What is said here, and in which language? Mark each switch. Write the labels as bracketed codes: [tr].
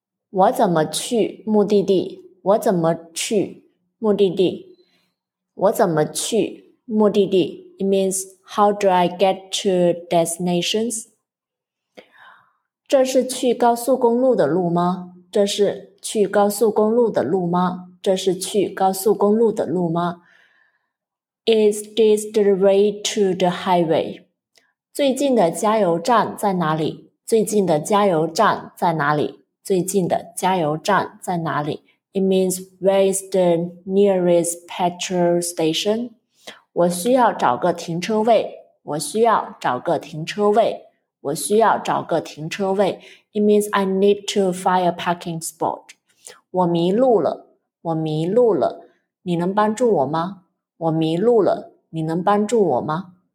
[zh] 我怎么去目的地?我怎么去目的地? 我怎么去目的地? [en] It means, how do I get to destinations? [zh] 这是去高速公路的路吗?这是去高速公路的路吗? 这是去高速公路的路吗? [en] Is this the way to the highway? [zh] 最近的加油站在哪里? 最近的加油站在哪里?最近的加油站在哪里? [en] It means, where is the nearest petrol station? [zh] 我需要找个停车位, 我需要找个停车位, 我需要找个停车位. [en] It means, I need to find a parking spot. [zh] 我迷路了. 我迷路了, 你能帮助我吗?我迷路了, 你能帮助我吗?